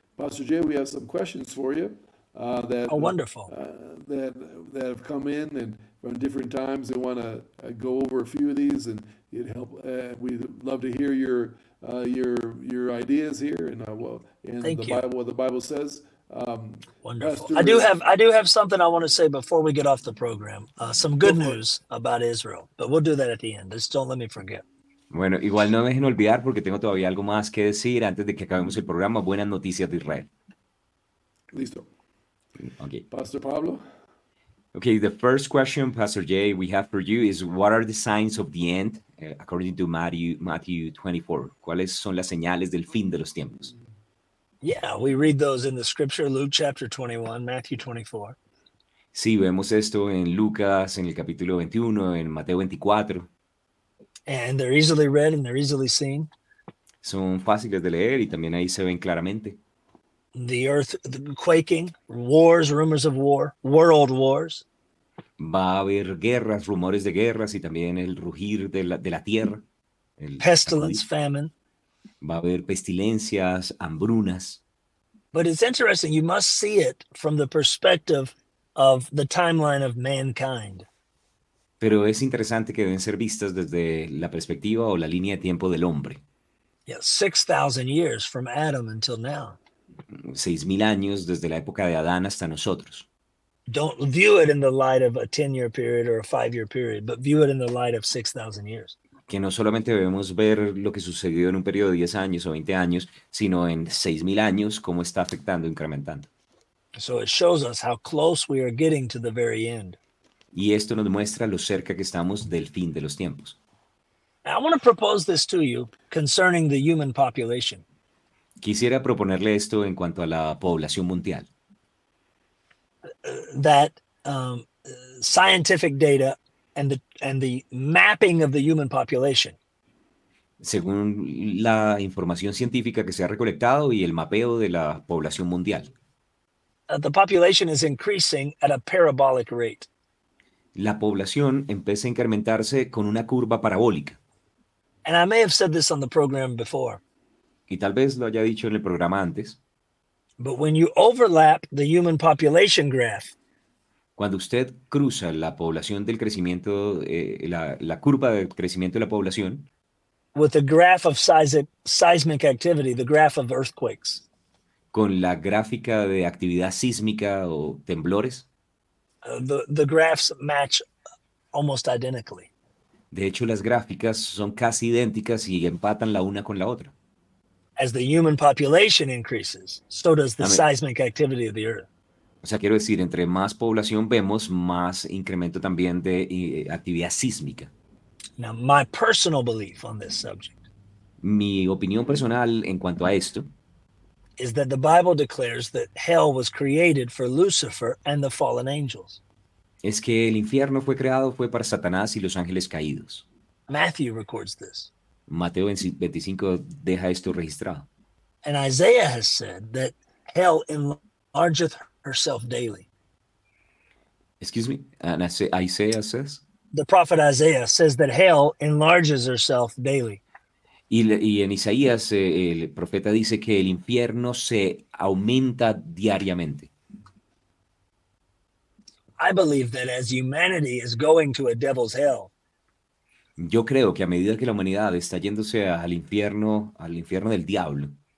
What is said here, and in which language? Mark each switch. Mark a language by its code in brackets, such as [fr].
[en] Pastor Jay, we have some questions for you. Wonderful. That have come in and from different times. They want to go over a few of these and it'd help. We'd love to hear your ideas here and the Bible says. Wonderful. I do have something I want to say before we get off the program. Some good news about Israel, but we'll do that at the end. Just don't let me forget. [es] Bueno, igual no dejen olvidar porque tengo todavía algo más que decir antes de que acabemos el programa. Buenas noticias de Israel. Listo. [en] Okay. Pastor Pablo. Okay, the first question, Pastor Jay, we have for you is, what are the signs of the end, according to Matthew 24? [es] ¿Cuáles son las señales del fin de los tiempos? [en] Yeah, we read those in the scripture, Luke chapter 21, Matthew 24. [es] Sí, vemos esto en Lucas, en el capítulo 21, en Mateo 24. [en] And they're easily read and they're easily seen. [es] Son fáciles de leer y también ahí se ven claramente. [en] The earth the quaking, wars, rumors of war, world wars. [es] Va a haber guerras, rumores de guerras y también el rugir de la tierra. [en] Pestilence, famine. [es] Va a haber pestilencias, hambrunas. [en] But it's interesting, you must see it from the perspective of the timeline of mankind. [es] Pero es interesante que deben ser vistas desde la perspectiva o la línea de tiempo del hombre. [en] Yeah, 6,000 years from Adam until now. [es] 6,000 años desde la época de Adán hasta nosotros. [en] Don't view it in the light of a 10-year period or a 5-year period, but view it in the light of 6,000 years. [es] Que no solamente debemos ver lo que sucedió en un periodo de 10 años o 20 años, sino en 6,000 años, cómo está afectando, incrementando. [en] So it shows us how close we are getting to the very end. [es] Y esto nos demuestra lo cerca que estamos del fin de los tiempos. [en] I want to propose this to you concerning the human population. [es] Quisiera proponerle esto en cuanto a la población mundial. [en] That scientific data and the mapping of the human population. [es] Según la información científica que se ha recolectado y el mapeo de la población mundial. [en] The population is increasing at a parabolic rate. [es] La población empieza a incrementarse con una curva parabólica. [en] And I may have said this on the program before. [es] Y tal vez lo haya dicho en el programa antes. [en] But when you overlap the human population graph, [es] cuando usted cruza la población del crecimiento, la curva del crecimiento de la población, [en] with the graph of seismic activity, the graph of earthquakes, [es] con la gráfica de actividad sísmica o temblores, [en] the graphs match almost identically. [es] De hecho, las gráficas son casi idénticas y empatan la una con la otra. [en] As the human population increases, so does the seismic activity of the earth. [es] O sea, quiero decir, entre más población vemos, más incremento también de actividad sísmica. [en] Now, my personal belief on this subject. [es] Mi opinión personal en cuanto a esto [en] is that the Bible declares that hell was created for Lucifer and the fallen angels. [es] Es que el infierno fue creado fue para Satanás y los ángeles caídos. [en] Matthew records this. [es] Mateo 25 deja esto registrado. [en] And Isaiah has said that hell enlargeth herself daily. Excuse me, and Isaiah says? The prophet Isaiah says that hell enlarges herself daily. [es] Y en Isaías el profeta dice que el infierno se aumenta diariamente. [en] I believe that as humanity is going to a devil's hell, [es] yo creo que a medida que la humanidad está yéndose al infierno del diablo,